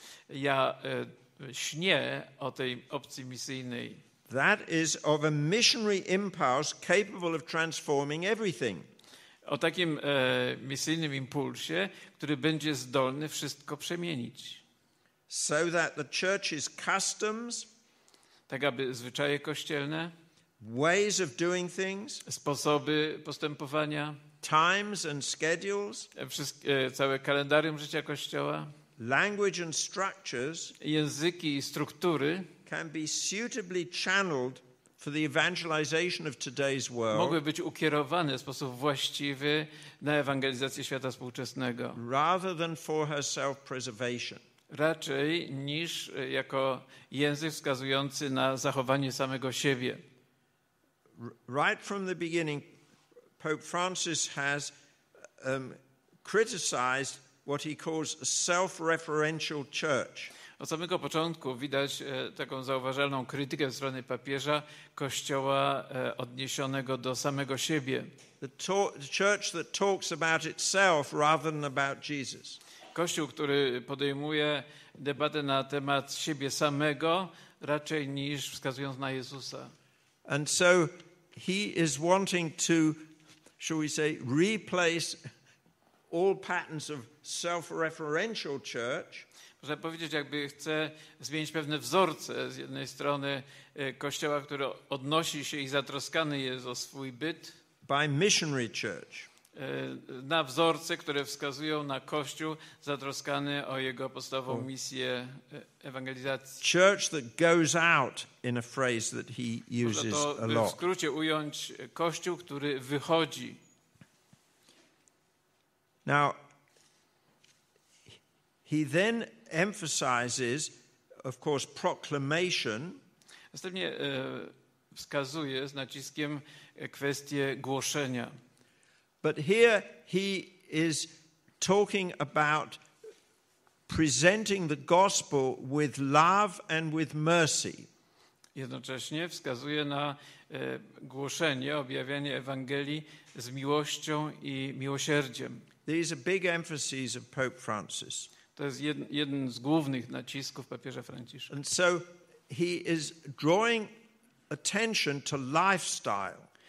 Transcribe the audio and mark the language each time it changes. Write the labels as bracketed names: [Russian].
[Polish] Ja śnię o tej opcji misyjnej. [English] That is of a missionary impulse capable of transforming everything. [Polish] o takim misyjnym impulsie, który będzie zdolny wszystko przemienić. [English] So that the church's customs, [Polish] tak aby zwyczaje kościelne, [English] ways of doing things, [Polish] sposoby postępowania, [English] times and schedules, [Polish] całe kalendarium życia kościoła, [English] language and structures, [Polish] języki i struktury, [English] can be suitably channeled for the evangelization of today's world, [Polish] mogły być ukierowane w sposób właściwy na ewangelizację świata współczesnego, [English] rather than for her self-preservation, [Polish] raczej niż jako język wskazujący na zachowanie samego siebie. [English] Right from the beginning, Pope Francis has criticized what he calls a self-referential church. [Polish] Od samego początku widać taką zauważalną krytykę ze strony papieża kościoła odniesionego do samego siebie. [English] The church that talks about itself rather than about Jesus. [Polish] Kościół, który podejmuje debatę na temat siebie samego, raczej niż wskazując na Jezusa. [English] And so he is wanting to, shall we say, replace all patterns of self-referential church. [Polish] Można powiedzieć, jakby chce zmienić pewne wzorce z jednej strony kościoła, który odnosi się i zatroskany jest o swój byt. [English] By missionary church. [Polish] Na wzorce, które wskazują na kościół zatroskany o jego podstawową misję ewangelizacji. [English] Church that goes out in a phrase that he uses a lot. [Polish] W skrócie ująć kościół, który wychodzi. [English] Now he then emphasizes, of course, proclamation. [Polish] Następnie wskazuje z naciskiem kwestię głoszenia. [English] But here he is talking about presenting the gospel with love and with mercy. [Polish] Jednocześnie wskazuje na głoszenie, objawianie Ewangelii z miłością i miłosierdziem. [English] These are big emphases of Pope Francis. [Polish] To jest jeden z głównych nacisków papieża Franciszka. [English] And so he is drawing attention to lifestyle.